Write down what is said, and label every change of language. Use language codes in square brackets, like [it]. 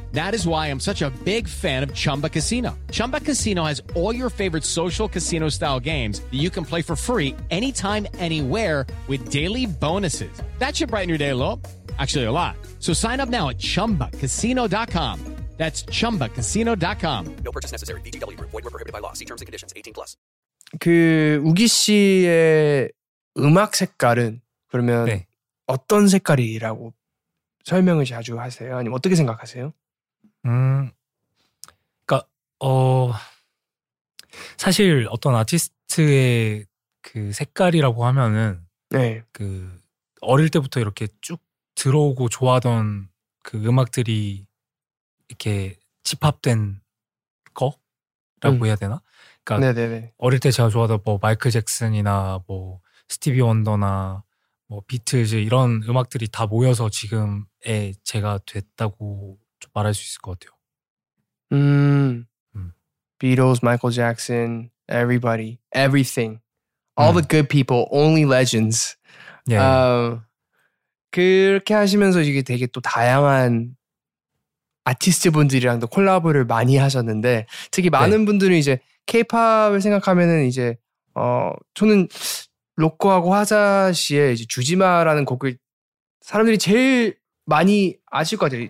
[en] That is why I'm such a big fan of Chumba Casino. Chumba Casino has all your favorite social casino style games that you can play for free anytime, anywhere with daily bonuses. That should brighten your day a little. Actually, a lot. So sign up now at chumbacasino.com. That's chumbacasino.com. No purchase necessary. VGW. Void where prohibited by law. See terms and conditions. 18 plus. [ko] 그 우기 씨의 음악 색깔은 그러면 네. 어떤 색깔이라고 설명을 자주 하세요? 아니면 어떻게 생각하세요? 그러니까 사실 어떤 아티스트의 그 색깔이라고 하면은 네. 그 어릴 때부터 이렇게 쭉 들어오고 좋아하던 그 음악들이 이렇게 집합된 거라고 해야 되나? 그러니까 네네네. 어릴 때 제가 좋아하던 뭐 마이클 잭슨이나 뭐 스티비 원더나 뭐 비틀즈 이런 음악들이 다 모여서 지금의 제가 됐다고 좀 말할 수 있을 것 같아요. [en] 비틀즈, 마이클 잭슨, everybody, everything, all the good people, only legends. [ko] 네. 그렇게 하시면서 이게 되게 또 다양한 아티스트 분들이랑도 콜라보를 많이 하셨는데 특히 많은 네. 분들은 이제 K-pop을 생각하면은 이제 저는 로코하고 화자씨의 이제 주지마라는 곡을 사람들이 제일 많이 아실 것 같아요.